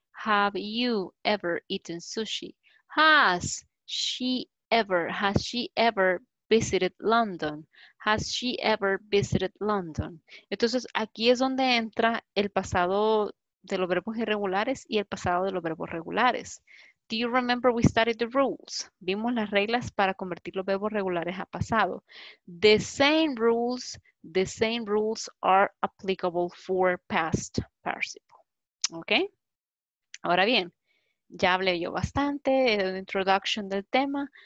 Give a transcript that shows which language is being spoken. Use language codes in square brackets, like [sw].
[en] Have you ever eaten sushi? Has she ever visited London? Has she ever visited London? [es] Entonces, aquí es donde entra el pasado de los verbos irregulares y el pasado de los verbos regulares. [en] Do you remember we studied the rules? [es] Vimos las reglas para convertir los verbos regulares a pasado. [en] The same rules are applicable for past participle. ¿Ok? [es] Ahora bien, ya hablé yo bastante de la introducción del tema.